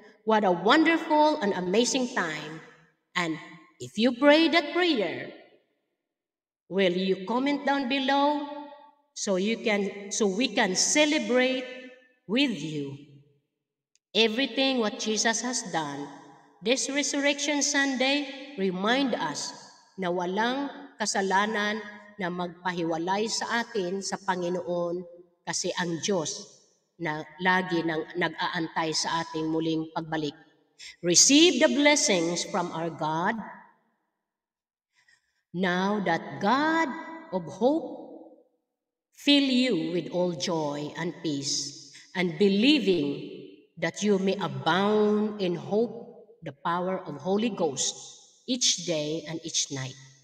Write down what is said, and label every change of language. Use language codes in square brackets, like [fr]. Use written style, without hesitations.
[en] What a wonderful and amazing time. And if you pray that prayer, will you comment down below so we can celebrate with you everything what Jesus has done. This Resurrection Sunday remind us [tl] na walang kasalanan na magpahiwalay sa atin sa Panginoon kasi ang Diyos na lagi nang nag-aantay sa ating muling pagbalik. [en] Receive the blessings from our God. Now that God of hope fill you with all joy and peace and believing that you may abound in hope the power of Holy Ghost each day and each night,